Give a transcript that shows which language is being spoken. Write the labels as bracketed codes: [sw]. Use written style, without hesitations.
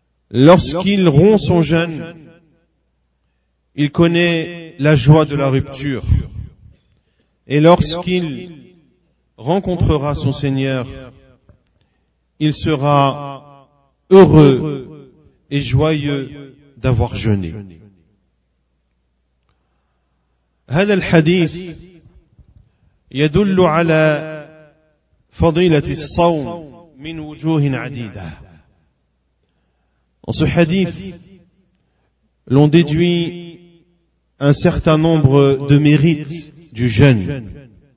[fr] Lorsqu'il rompt son jeûne, il connaît la joie de la rupture. Et lorsqu'il rencontrera son Seigneur, il sera heureux et joyeux d'avoir jeûné. [ar] هذا الحديث يدل على فضيلة الصوم من وجوه عديدة. [fr] Dans ce hadith, l'on déduit un certain nombre de mérites du jeûne.